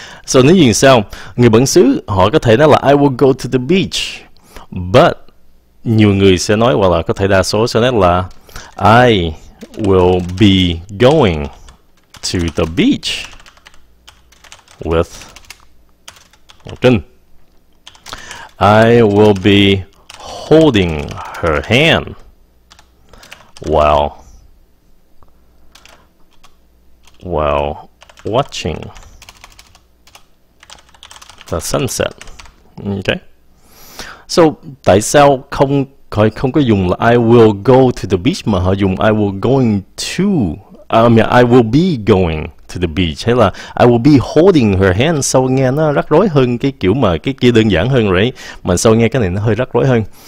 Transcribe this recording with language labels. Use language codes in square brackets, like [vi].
[vi] So nếu nhìn sao, người bản xứ họ có thể nói là [en] I will go to the beach. [vi] But nhiều người sẽ nói hoặc là có thể đa số sẽ nói là [en] I will be going to the beach with Ngọc Trinh. I will be holding her hand while watching the sunset. Okay. [vi] So tại sao không có dùng là [en] I will go to the beach [vi] mà họ dùng [en] I will going to, I will be going to the beach, [vi] hay là [en] I will be holding her hand, [vi] sao nghe nó rắc rối hơn cái kiểu mà cái kia đơn giản hơn rồi, mà sao nghe cái này nó hơi rắc rối hơn.